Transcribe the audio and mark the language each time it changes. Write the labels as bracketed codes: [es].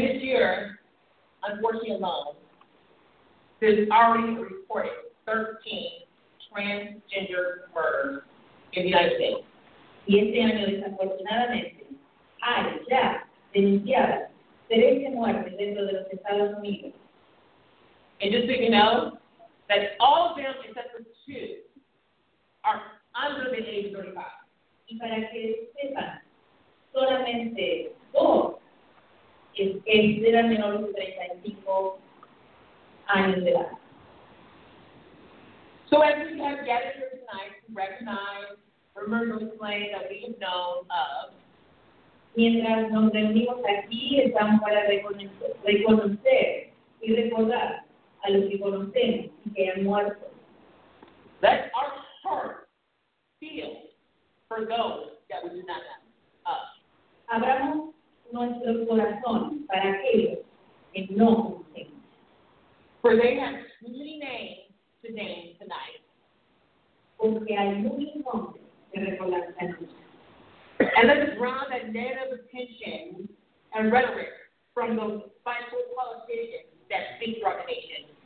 [en] this year, unfortunately alone, there's already reported 13 transgender murders in the United States. [es] Y este año, desafortunadamente, hay ya denunciadas 13 muertes dentro de los Estados Unidos. [en] And just so you know, that all of them except for two are under the age of 35. [es] Y para que sepan, solamente dos eran menores de 35 años de edad. [en] So as we have gathered here tonight to recognize, remember, the claim that we have known of, [es] mientras nos reunimos aquí, estamos para reconocer y recordar a los que conocemos y que han muerto. [en] Let our heart feel for those that we do not know. [es] Abramos nuestro corazón para aquellos que no conocemos. [en] For they have many names to name tonight. [es] Porque hay muchos nombres que recordar esta noche. [en] And let us draw that narrative attention and rhetoric from the vital politicians that speak for our nation.